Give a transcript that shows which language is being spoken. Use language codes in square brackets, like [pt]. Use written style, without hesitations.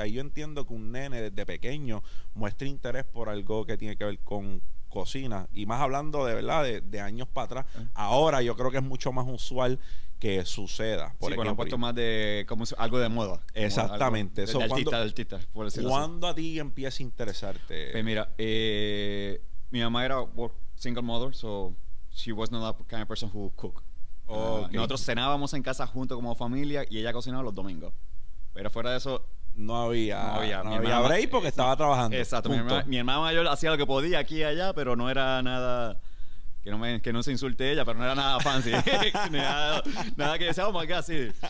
[es] Ahí yo entiendo que un nene desde pequeño muestre interés por algo que tiene que ver con cocina, y más hablando de verdad de años para atrás. Ahora yo creo que es mucho más usual que suceda. Por sí, ejemplo, bueno, puesto más de como algo de moda. Exactamente. Algo, de artista, por decirlo. ¿Cuándo así a ti empieza a interesarte? Pues mira, mi mamá era [en] single mother, so she was not the kind of person who cook. Okay. [es] Nosotros cenábamos en casa junto como familia y ella cocinaba los domingos. Pero fuera de eso, No había break porque estaba trabajando. Exacto. Mi hermana mayor hacía lo que podía aquí y allá, pero no era nada... Que no se insulte ella, pero no era nada fancy. nada que decíamos acá, sí.